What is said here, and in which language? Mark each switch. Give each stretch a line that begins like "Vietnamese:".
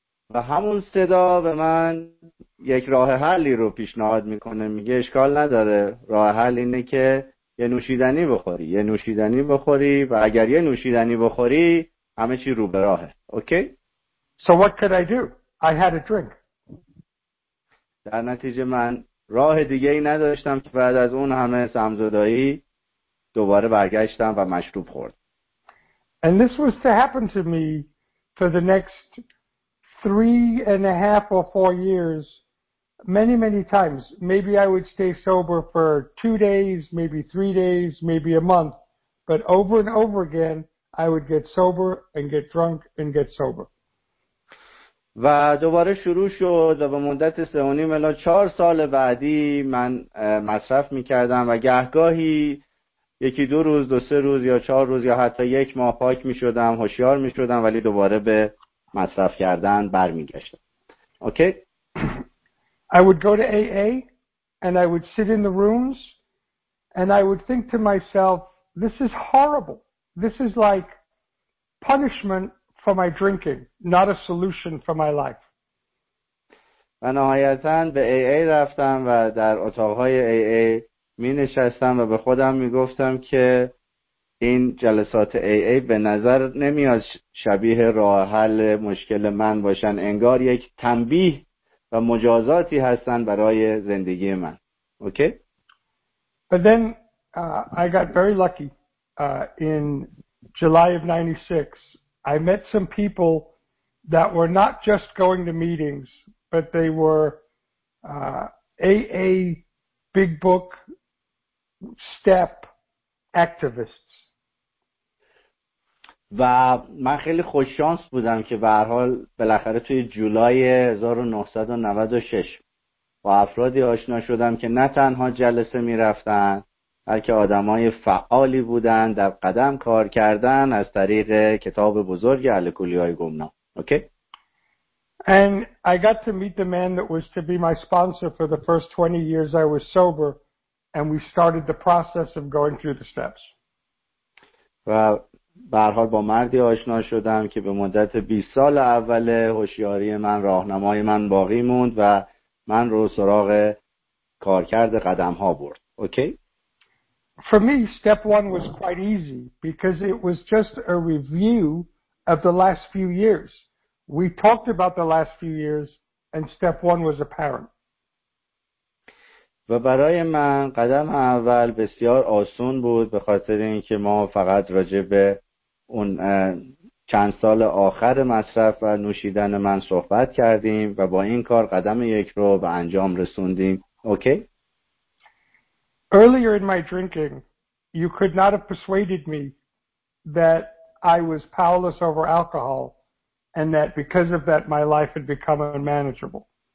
Persian: و همون صدا به من یک راه حلی رو پیشنهاد میکنه، میگه اشکال نداره، راه حل اینه که یه نوشیدنی بخوری و اگر یه نوشیدنی بخوری همه چی رو به راهه. اوکی؟
English: So what could I do? I had a drink.
Persian: در نتیجه من راه دیگه ای نداشتم که بعد از اون همه سمزدائی دوباره برگشتم و مشروب خورد.
English: And this was to happen to me for the next 3.5 or 4 years, many, many times. Maybe I would stay sober for 2 days, maybe 3 days, maybe a month, but over and over again, I would get sober and get drunk and get sober.
Persian: و دوباره شروع شد و به مدت 3.5 تا 4 سال بعدی من مصرف میکردم و گهگاهی یکی 2 روز، 2-3 روز یا 4 روز یا حتی 1 ماه پاک میشدم، هوشیار میشدم، ولی دوباره به مصرف کردن برمیگشتم. اوکی؟
English: I would go to AA and I would sit in the rooms and I would think to myself, this is horrible. This is like punishment for my drinking, not a solution for my life.
Persian: و نهایتاً به AA رفتم و در اتاقهای AA می نشستم و به خودم می گفتم که این جلسات AA به نظر نمیاد شبیه راه حل مشکل من باشن، انگار یک تنبیه و مجازاتی هستن برای زندگی من. اوکی؟
English: But then I got very lucky. In July of 96, I met some people that were not just going to meetings, but they were AA Big Book Step activists.
Persian: و من خیلی خوش شانس بودم که به هر حال بالاخره توی جولای 1996 با افرادی آشنا شدم که نه تنها جلسه می رفتن بلکه آدم های فعالی بودن در قدم کار کردن از طریق کتاب بزرگ الکلی های گمنام. اوکی؟
English: And I got to meet the man that was to be my sponsor for the first 20 years I was sober, and we started the process of going through the steps.
Persian: و به هر حال با مردی آشنا شدم که به مدت 20 سال اول هوشیاری من راهنمای من باقی موند و من رو سراغ کارکرد قدم ها برد. اوکی؟
English: For me, step one was quite easy because it was just a review of the last few years. We talked about the last few years and step one was apparent.
Persian: و برای من قدم اول بسیار آسون بود به خاطر اینکه ما فقط راجع به اون چند سال آخر مصرف و نوشیدن من صحبت کردیم و با این کار قدم یک رو به انجام رسوندیم. اوکی؟
English: Earlier in my drinking, you could not have persuaded me that I was powerless over alcohol and that because of that my life had become unmanageable.